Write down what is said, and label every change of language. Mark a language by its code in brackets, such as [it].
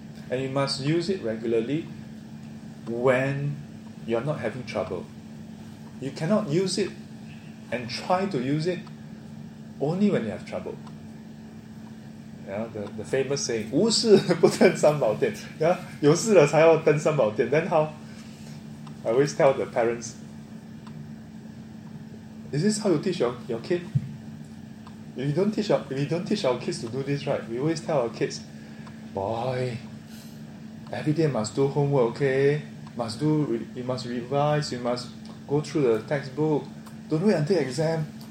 [en] And you must use it regularly when you're not having trouble. You cannot use it and try to use it only when you have trouble. Yeah, the famous saying, [zh] 无事不登三宝殿. [en] Yeah, [zh] 有事了才要登三宝殿. [en] Then how? I always tell the parents, is this how you teach your kid? If you don't teach our kids to do this, right, we always tell our kids, boy, every day must do homework, okay? You must revise, you must go through the textbook. Don't wait until exam.